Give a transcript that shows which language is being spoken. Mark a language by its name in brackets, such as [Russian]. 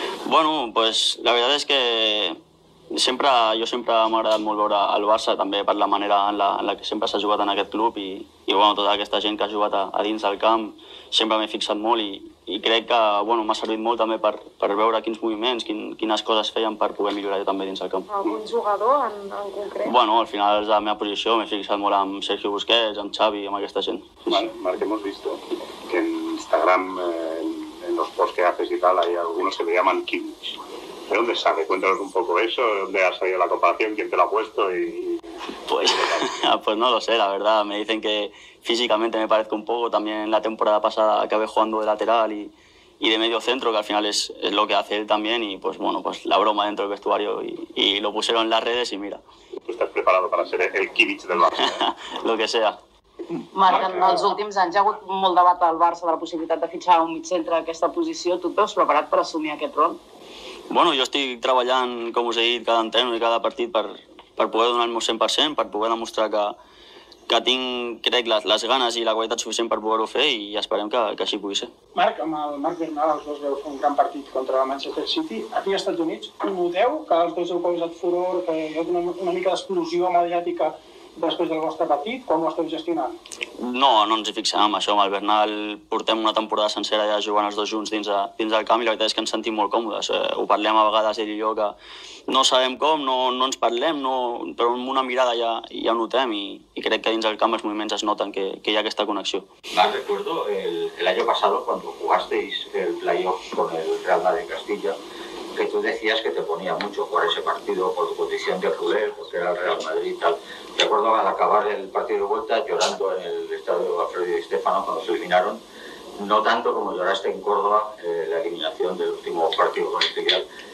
[Catalan] Bueno, doncs la veritat és que sempre m'ha agradat molt veure el Barça, també per la manera en la que sempre s'ha jugat en aquest club i tota aquesta gent que ha jugat a dins del camp, sempre m'he fixat molt i crec que m'ha servit molt també per veure quins moviments, quines coses feien per poder millorar jo també dins del camp. Algun jugador en concret? Bueno, al final és la meva posició, m'he fixat molt amb Sergio Busquets, amb Xavi, amb aquesta gent. [Spanish] Marc, hemos visto que en Instagram, en los posts que haces y tal, hay algunos que le llaman Kimmich. ¿De dónde sale? Cuéntanos un poco eso, ¿dónde ha salido la comparación? ¿Quién te lo ha puesto? Pues no lo sé, la verdad. Me dicen que físicamente me parezco un poco. También la temporada pasada acabé jugando de lateral y de medio centro, que al final es lo que hace él también. Y pues bueno, pues la broma dentro del vestuario y lo pusieron en las redes y mira. Tú estás preparado para ser el Kimmich del Barça. Lo que sea. [Catalan] Marc, en els últims anys hi ha hagut molt debat al Barça de la possibilitat de fitxar un mig centre d'aquesta posició. Tu et veus preparat per assumir aquest rol? Bueno, jo estic treballant, com us he dit, cada entreno i cada partit per poder donar el meu 100%, per poder demostrar que tinc, crec, les ganes i la qualitat suficient per poder-ho fer i esperem que així pugui ser. Marc, amb el Marc Bernal els dos veu fer un gran partit contra la Manchester City. Aquí als Estats Units, ho noteu? Que els dos heu causat furor, que hi ha una mica d'explosió mediàtica després del vostre partit? Com ho esteu gestionant? No ens hi fixem, amb això. Amb el Bernal portem una temporada sencera ja jugant els dos junts dins del camp i la veritat és que ens sentim molt còmodes. Ho parlem a vegades, ell i jo, que no sabem com, no ens parlem, però amb una mirada ja ho notem i crec que dins del camp els moviments es noten que hi ha aquesta connexió. [Spanish] Marc, recuerdo el año pasado cuando jugasteis el playoff con el Real Madrid Castilla, que tú decías que te ponía mucho jugar ese partido por tu condición de culé, porque era el Real Madrid y tal. Recuerdo al acabar el partido de vuelta llorando en el estadio de Alfredo y Estefano cuando se eliminaron, no tanto como lloraste en Córdoba la eliminación del último partido con el filial.